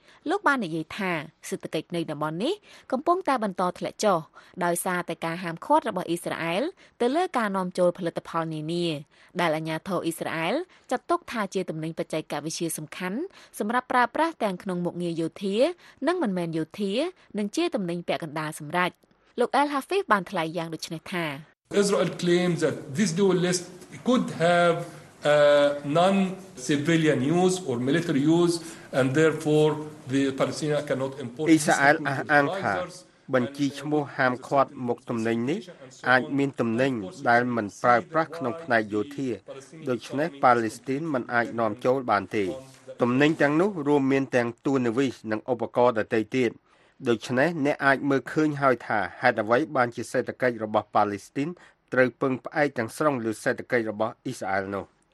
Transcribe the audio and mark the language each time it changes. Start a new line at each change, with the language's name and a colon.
Khmer: លោកបាននិយាយថាសេដ្ឋកិច្ចនៅតំបន់នេះកំពុងតែបន្តធ្លាក់ចុះដោយសារតែការហាមឃាត់របស់អ៊ីស្រាអែលទៅលើការនាំចូលផលិតផលនានាដែលអាជ្ញាធរអ៊ីស្រាអែលចាត់ទុកថាជាទំនិញបច្ចេកវិទ្យាសំខាន់សម្រាប់ប្រើប្រាស់ទាំងក្នុងមុខងារយោធានិងមិនមែនយោធានិងជាទំនិញពាក់កណ្ដាលសម្រាប់លោក El Hafif បានថ្លែងយ៉ាងដូចនេះថា
English: Israel claims that this dual list could have non-civilian use or military use and therefore the Palestinian cannot import
Khmer: អ៊ីស្រាអែលអះអាងថាបញ្ជីឈ្មោះហាមឃាត់មុខទំនិញនេះអាចមានទំនិញដែលមិនប្រើប្រាស់ក្នុងផ្នែកយោធាដូច្នេះប៉ាឡេស្ទីនមិនអាចនាំចូលបានទេទំនិញទាំងនោះរួមមានទាំងទូនាវីសនិងឧបករណ៍ដទៃទៀតដូច្នេះអ្នកអាចមើលឃើញហើយថាហេតុអ្វីបានជាសេដ្ឋកិច្ចរបស់ប៉ាឡេស្ទីនត្រូវពឹងផ្អែកទាំងស្រុងលើសេដ្ឋកិច្ចរបស់អ៊ីស្រាអែលនោះ